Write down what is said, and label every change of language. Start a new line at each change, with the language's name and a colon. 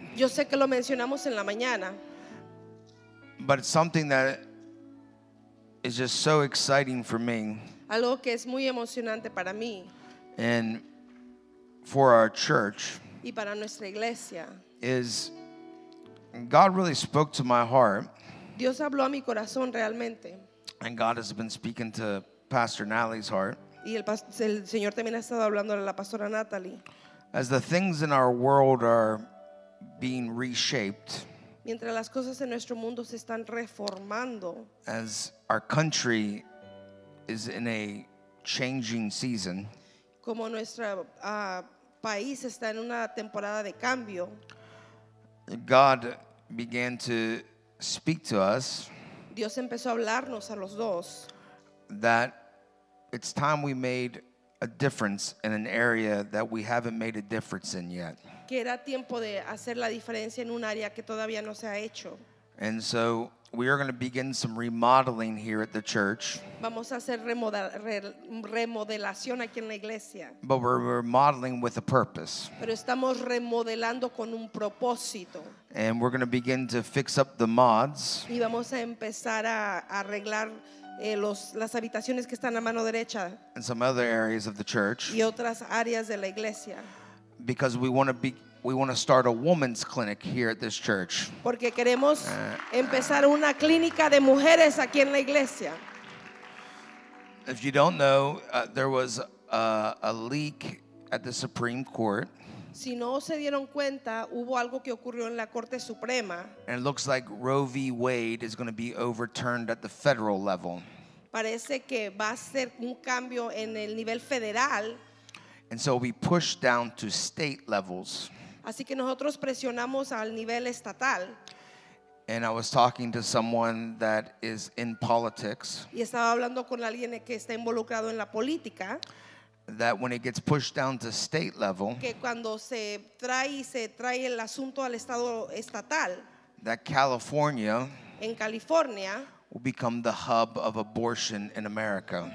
Spanish: Yo sé que lo mencionamos en la mañana.
English: But something that is just so exciting for me.
Spanish: Algo que es muy emocionante para mí.
English: And for our church.
Spanish: Y para nuestra iglesia.
English: Is God really spoke to my heart.
Spanish: Dios habló a mi corazón realmente.
English: And God has been speaking to Pastor Natalie's heart.
Spanish: Y el Señor también ha estado hablando a la pastora Natalie.
English: As the things in our world are being reshaped.
Spanish: Mientras las cosas en nuestro mundo se están reformando.
English: As our country is in a changing season.
Spanish: Como nuestro país está en una temporada de cambio.
English: God began to speak to us.
Spanish: Dios empezó a hablarnos a los dos.
English: That it's time we made a difference in an area that we haven't made a difference in yet.
Spanish: Que era tiempo de hacer la diferencia en un área que todavía no se ha hecho.
English: And so we are going to begin some remodeling here at the church.
Spanish: Vamos a hacer remodelación aquí en la iglesia.
English: But we're remodeling with a purpose.
Spanish: Pero estamos remodelando con un propósito.
English: And we're going to begin to fix up the mods.
Spanish: Y vamos a empezar a arreglar las habitaciones que están a mano derecha.
English: And some other areas of the church.
Spanish: Y otras áreas de la iglesia.
English: Because we want to start a woman's clinic here at this church.
Spanish: Porque queremos empezar una clínica de mujeres aquí en la iglesia.
English: If you don't know, there was a leak at the Supreme Court.
Spanish: Si no se dieron cuenta, hubo algo que ocurrió en la Corte Suprema.
English: And it looks like Roe v. Wade is going to be overturned at the federal level.
Spanish: Parece que va a ser un cambio en el nivel federal.
English: And so we pushed down to state levels.
Spanish: Así que nosotros presionamos al nivel estatal.
English: And I was talking to someone that is in politics.
Spanish: Y estaba hablando con alguien que está involucrado en la política.
English: That when it gets pushed down to state level.
Spanish: Que cuando se trae el asunto al estado estatal.
English: That California.
Spanish: En California.
English: Will become the hub of abortion in America.